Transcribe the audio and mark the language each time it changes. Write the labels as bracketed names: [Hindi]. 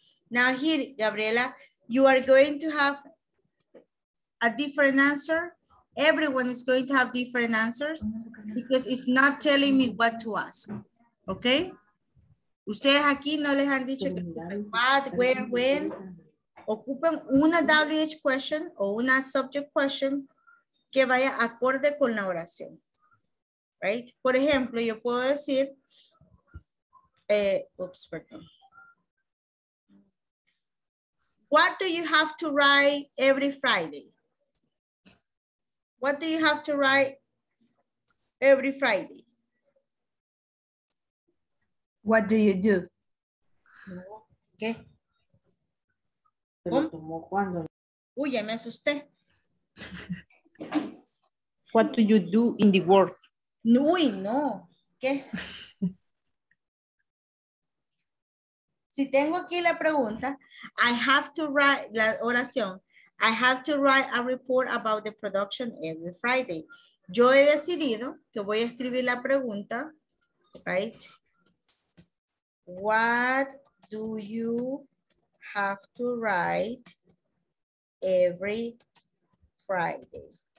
[English] Now here, Gabriela, you are going to have a different answer. Everyone is going to have different answers because it's not telling me what to ask, okay? [Spanish] Ustedes aquí no les han dicho [English] what, where, when, [Spanish] ocupen una WH question o una subject question que vaya acorde con la oración. [English] Right? [Spanish] Por ejemplo, yo puedo decir, oops, perdón. [English] What do you have to write every Friday? What do you have to write every Friday? What do you do? [Spanish] ¿Qué? ¿Cómo? Uy, ya me asusté. [English] What do you do in the world? [Spanish] Uy, no. ¿Qué? Si tengo aquí la pregunta, [English] I have to write, [Spanish] la oración, [English] I have to write a report about the production every Friday. [Spanish] Yo he decidido que voy a escribir la pregunta, [English] right? What do you have to write every Friday?